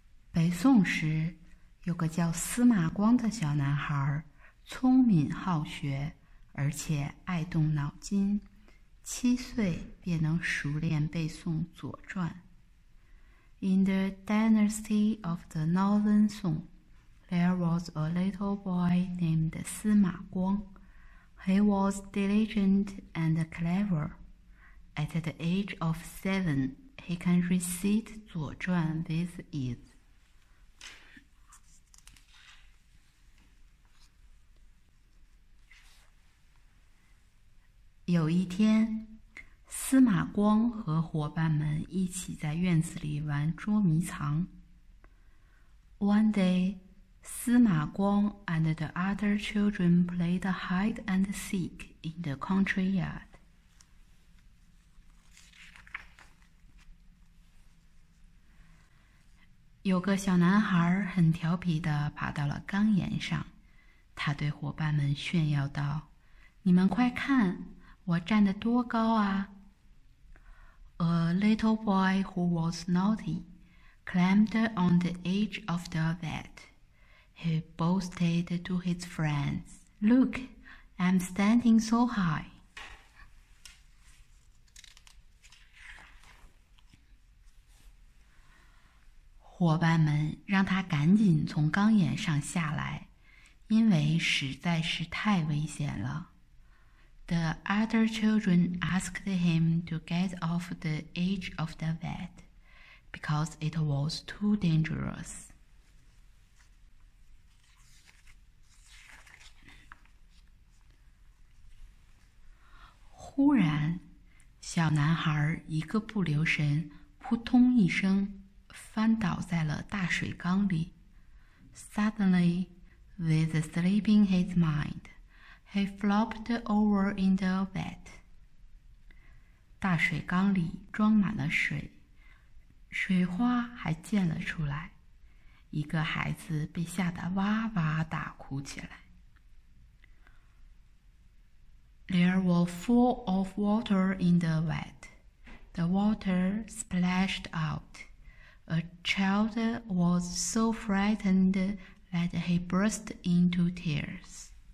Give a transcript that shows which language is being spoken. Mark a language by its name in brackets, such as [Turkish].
[Chinese] 北宋时，有个叫司马光的小男孩，聪明好学，而且爱动脑筋，七岁便能熟练背诵《左传》。 [English] In the dynasty of the Northern Song, there was a little boy named 司马光。 He was diligent and clever. At the age of 7, he can recite 左传 with ease. [Chinese] 有一天，司马光和伙伴们一起在院子里玩捉迷藏。 [English] One day,司马光 and the other children played hide and seek in the courtyard. [Chinese] 有个小男孩很调皮地爬到了缸沿上，他对伙伴们炫耀道：“你们快看，我站得多高啊！” [English] A little boy who was naughty climbed on the edge of the vat. He boasted to his friends, Look, I'm standing so high. [Chinese] 伙伴们让他赶紧从缸沿上下来，因为实在是太危险了。 [English] The other children asked him to get off the edge of the vat, because it was too dangerous. [Chinese] 忽然，小男孩一个不留神，扑通一声，翻倒在了大水缸里。 [English] Suddenly, with sleep in his mind, he flopped over in the vat. [Chinese] 大水缸里装满了水，水花还溅了出来。一个孩子被吓得哇哇大哭起来。 [English] There were full of water in the vat. The water splashed out. A child was so frightened that he burst into tears.